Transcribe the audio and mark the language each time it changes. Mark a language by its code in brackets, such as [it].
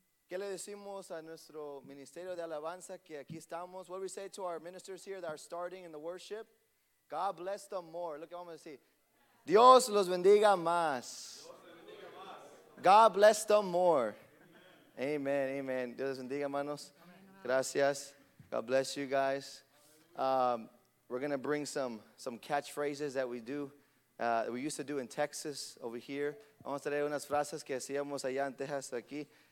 [es] ¿Qué le decimos a nuestro ministerio de alabanza que aquí estamos? [en] What do we say to our ministers here that are starting in the worship? God bless them more. Look at what I'm going to say. [es] Dios los bendiga más. [en] God bless them more. Amen, amen. [es] Dios les bendiga, hermanos. Gracias. [en] God bless you guys. We're going to bring some catchphrases that we do. We used to do in Texas over here. [es] Vamos a traer unas frases que hacíamos allá en Texas aquí.